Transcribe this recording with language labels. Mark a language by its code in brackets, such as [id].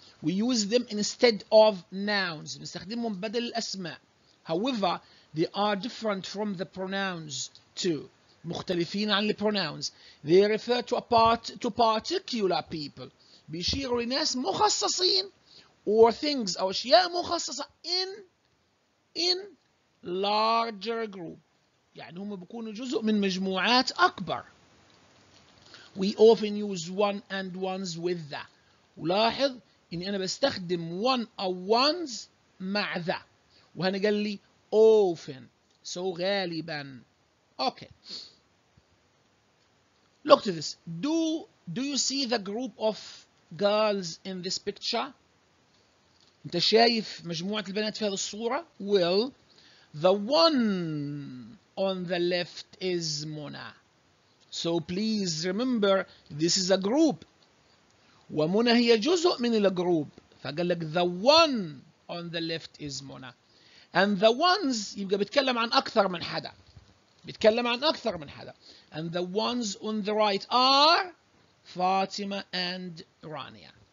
[en] We use them instead of nouns، [ar] نستخدمهم بدل الأسماء. [en] However, they are different from the pronouns too، [ar] مختلفين عن [en] pronouns. They refer to to particular people، [ar] بيشيروا لناس مخصصين، [en] or things [ar] أو أشياء مخصصة [en] in larger group، [ar] يعني هم بيكونوا جزء من مجموعات أكبر. [en] We often use one and ones with the. [ar] ولاحظ إني أنا بستخدم one or ones مع the. وهنا قال لي often. [en] So [ar] غالبا. [en] Okay. Look to this. Do you see the group of girls in this picture? [ar] أنت شايف مجموعة البنات في هذه الصورة؟ [en] Well, the one on the left is Mona. So please remember, this is a group. [ar] ومنى هي جزء من الجروب. فقال لك [en] the one on the left is منى. And the ones [ar] يبقى بتكلم عن أكثر من حدا. بتكلم عن أكثر من حدا. [en] And the ones on the right are Fatima and Rania.